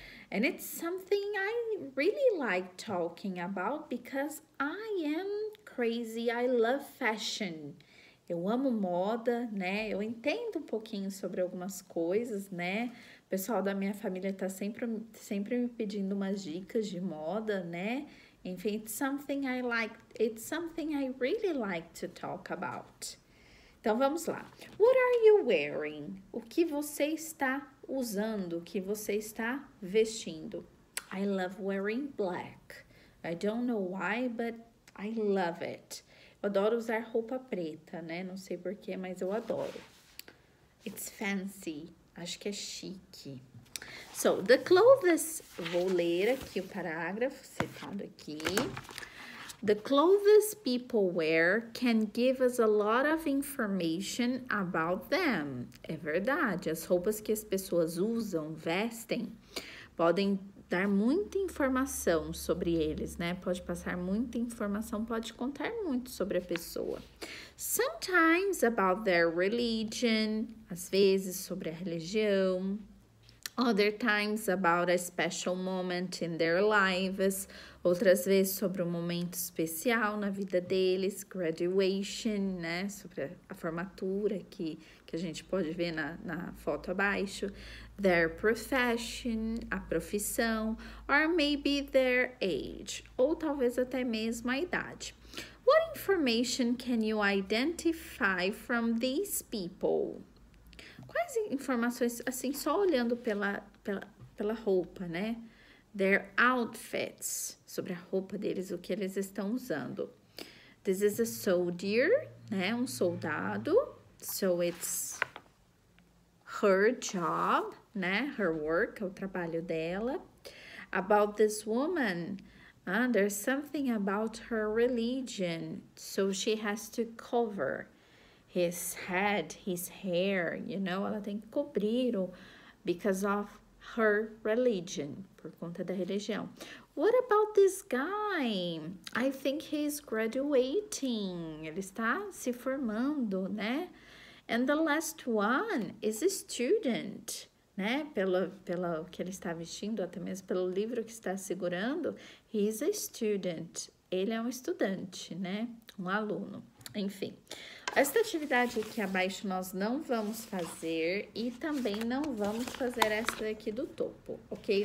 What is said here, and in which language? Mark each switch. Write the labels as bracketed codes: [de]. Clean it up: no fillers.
[en] And it's something I really like talking about because I am crazy, I love fashion. [pt] Eu amo moda, né? Eu entendo um pouquinho sobre algumas coisas, né? O pessoal da minha família tá sempre me pedindo umas dicas de moda, né? [en] Enfim, it's something I really like to talk about. [pt] Então, vamos lá. [en] What are you wearing? [pt] O que você está usando? O que você está vestindo? [en] I love wearing black. I don't know why, but I love it. [pt] Eu adoro usar roupa preta, né? Não sei porquê, mas eu adoro. [en] It's fancy. [pt] Acho que é chique. [en] So, the clothes... [pt] Vou ler aqui o parágrafo citado aqui. [en] The clothes people wear can give us a lot of information about them. [pt] É verdade, as roupas que as pessoas usam, vestem, podem dar muita informação sobre eles, né? Pode passar muita informação, pode contar muito sobre a pessoa. [en] Sometimes about their religion, [pt] às vezes sobre a religião. [en] Other times about a special moment in their lives. [pt] Outras vezes sobre um momento especial na vida deles, graduation, né? Sobre a formatura que a gente pode ver na foto abaixo. [en] Their profession, [pt] a profissão, [en] or maybe their age. [pt] Ou talvez até mesmo a idade. [en] What information can you identify from these people? [pt] Quais informações, assim, só olhando pela roupa, né? [en] Their outfits, [pt] sobre a roupa deles, o que eles estão usando. [en] This is a soldier, né? [pt] Um soldado. [en] So, it's her job, né? Her work, [pt] o trabalho dela. [en] About this woman, there's something about her religion. So, she has to cover his head, his hair, you know? [pt] Ela tem que cobrir [en] because of her religion, [pt] por conta da religião. [en] What about this guy? I think he's graduating. [pt] Ele está se formando, né? [en] And the last one is a student, né? [pt] Pelo que ele está vestindo, até mesmo pelo livro que está segurando. [en] He's a student. [pt] Ele é um estudante, né? Um aluno. Enfim. Esta atividade aqui abaixo nós não vamos fazer e também não vamos fazer esta aqui do topo, ok?